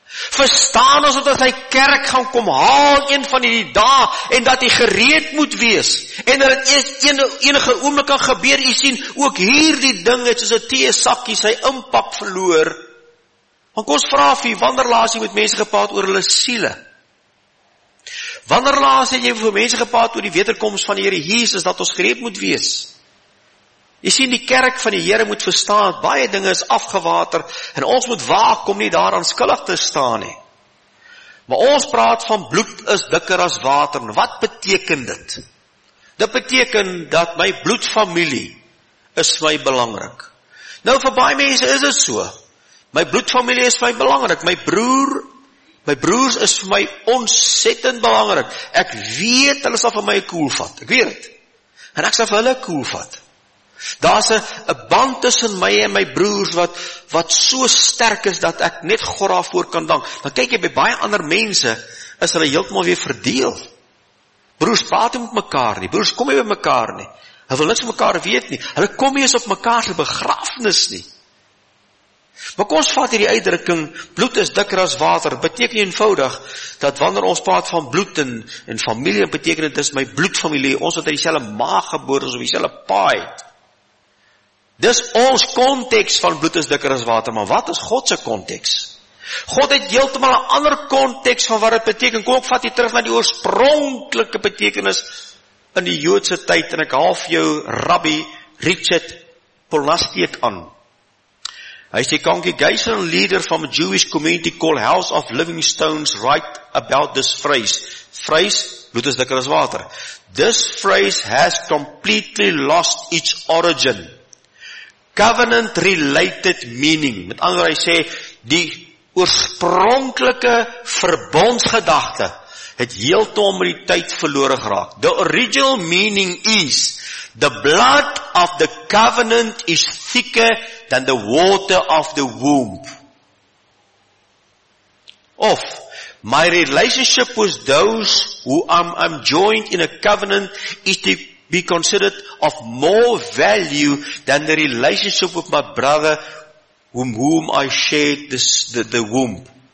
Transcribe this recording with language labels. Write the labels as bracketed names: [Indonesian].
[Afrikaans] Verstaan ons dat hy kerk gaan kom haal een van die dae, en dat hy gereed moet wees, en dat het enige oomblik kan gebeur? U sien, ook hierdie ding het soos 'n theesakkie sy impak verloor. Want ons vra vir u, wanneer laas jy met mense gepraat oor hulle siele? Wanneer laas het jy vir mense gepraat oor die wederkoms van die Here Jesus, dat ons gereed moet wees? Jy sien, die kerk van die Here moet verstaan, baie dinge is afgewater, en ons moet waak om nie daaraan skuldig te staan nie. Maar ons praat van bloed is dikker as water, en wat beteken dit? Dit beteken dat my bloedfamilie is my belangrik. Nou, vir baie mense is dit so. My bloedfamilie is my belangrik, my broers is vir my ontsettend belangrik. Ek weet, hulle sal vir my cool vat, ek weet het. En ek sal vir hulle cool vat. Daar is een band tussen my en my broers wat so sterk is dat ek net God daarvoor kan dank. Dan kyk jy by baie ander mense, is hulle heeltemal weer verdeel. Broers praat nie met mekaar nie, broers kom nie by mekaar nie, hulle wil niks van mekaar weet nie, hulle kom nie eens op mekaar se begrafnis nie. Maar kom ons vat hierdie uitdrukking, bloed is dikker as water, beteken eenvoudig, dat wanneer ons praat van bloed en familie, beteken het is my bloedfamilie, ons wat in dieselfde maag geboorte is, of dieselfde paai het. Dis ons context van bloed is dikker as water, maar wat is Godse context? God het heeltemal 'n ander context van wat het beteken. Kom, ek vat jy terug na die oorspronklike betekenis in die Joodse tyd, en ek haal vir jou Rabbi Richard Kolnasteek aan. Hy sê, [English] congregation leader from a Jewish community called House of Living Stones write about this phrase. Phrase, [Afrikaans] bloed is dikker as water. [English] This phrase has completely lost its origin. Covenant related meaning. [Afrikaans] Met andere hy sê, die oorspronkelike verbondsgedachte het heeltemal met die tyd verlore geraak. [English] The original meaning is, the blood of the covenant is thicker than the water of the womb. Of, my relationship with those who I'm joined in a covenant is to be considered of more value than the relationship with my brother whom I shared the womb.